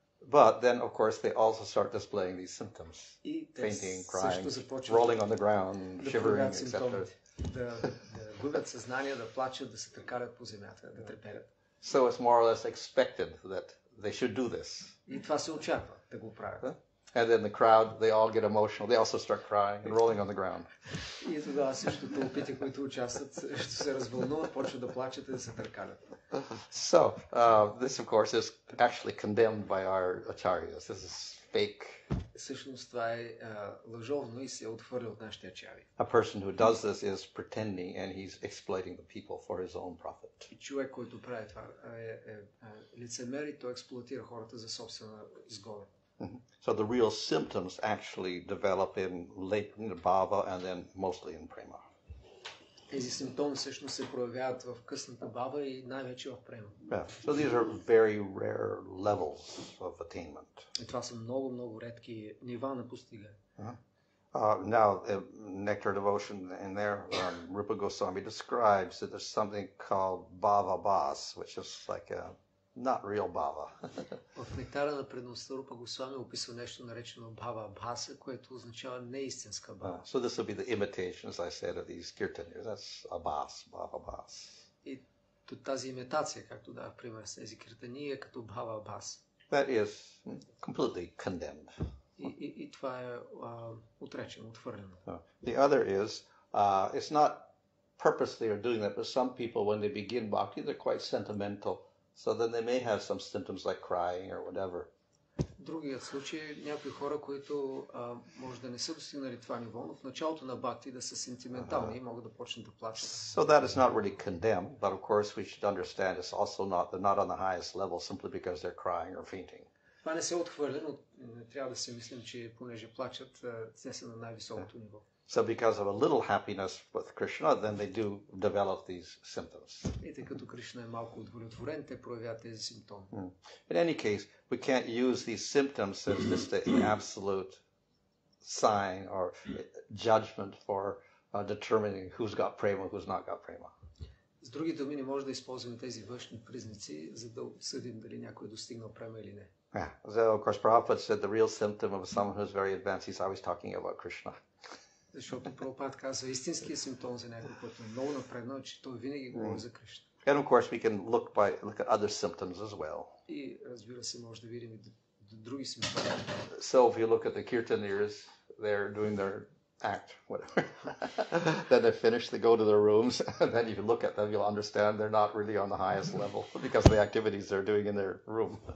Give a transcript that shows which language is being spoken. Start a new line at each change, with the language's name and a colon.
English: But then, of course, they also start displaying these symptoms. Fainting, crying, rolling on the ground, shivering, etc.
Bulgarian: Да губят съзнание, да плачат, да се търкарят по земята, да треперят.
English: So it's more or less expected that they should do this.
Bulgarian: И това се очаква, да го правят.
English: And then the crowd, they all get emotional. They also start crying and rolling on the ground.
Bulgarian: И тогава също тълпите, които участват, ще се развълнуват, почват да плачат и да се търкалят.
English: So, this of course is actually condemned by our acharyas. This is fake.
Bulgarian: Всъщност това е лъжовно и се отхвърля от нашите ачари.
English: A person who does this is pretending and he's exploiting the people for his own profit.
Bulgarian: И човек, който прави това, е лицемер и той експлоатира хората за собствена изгода.
English: So the real symptoms actually develop in latent bhava and then mostly in prema.
Bulgarian: Тези симптоми всъщност се проявяват в късната бхава и най-вече в према.
English: So these are very rare levels of attainment.
Bulgarian: И това са много, много редки нива на постигане.
English: Now, nectar devotion in there, Rupa Goswami describes that there's something called bhava bas, which is like a not real bhava.
Bulgarian: В нектара на предността Рупа Госвами описва нещо наречено бхава бхаса, което означава неистинска бхава.
English: So this will be the imitation, as I said, of these kirtaners. That's a bhas, bhava bhas.
Bulgarian: И тази имитация, както дава пример с тези киртани, е като бхава бхас.
English: That is completely condemned.
Bulgarian: И това е отречено, отвърнено.
English: The other is, it's not purposely or doing that, but some people, when they begin bhakti, they're quite sentimental. So then they may have some symptoms like crying or whatever.
Bulgarian: Другият случай, някои хора, които може да не са достигнали това ниво, но в началото на бхакти да са сентиментални и могат да почнат да плачат.
English: So that is not really condemned, but of course we should understand it's also not, they're not on the highest level simply because they're crying or fainting.
Bulgarian: Това не се отхвърля, но трябва да се мислим, че понеже плачат, те са на най-високото ниво.
English: So because of a little happiness with Krishna, then they do develop these symptoms.
Bulgarian: Ето като Кришна е малко удовлетворен, те проявяват тези симптоми.
English: In any case, we can't use these symptoms as just an absolute sign or judgment for determining who's got prema, who's not got prema.
Bulgarian: С други думи, не може да използваме тези външни признаци, за да съдим дали някой е достигнал према или не.
English: Yeah. So, of course, Prabhupada said the real symptom of someone who's very advanced, he's always talking about Krishna.
Bulgarian: Защото Прабхупад казва, истинският симптом за някой, който е много напреднал, че той винаги говори за Кришна.
English: And of course, we can look at other symptoms as well.
Bulgarian: И разбира се, може да видим и други симптоми.
English: So, if you look at the kirtaniers, they're doing their act, whatever. Then they finish, they go to their rooms, and then if you look at them, you'll understand they're not really on the highest level because of the activities they're doing in their room.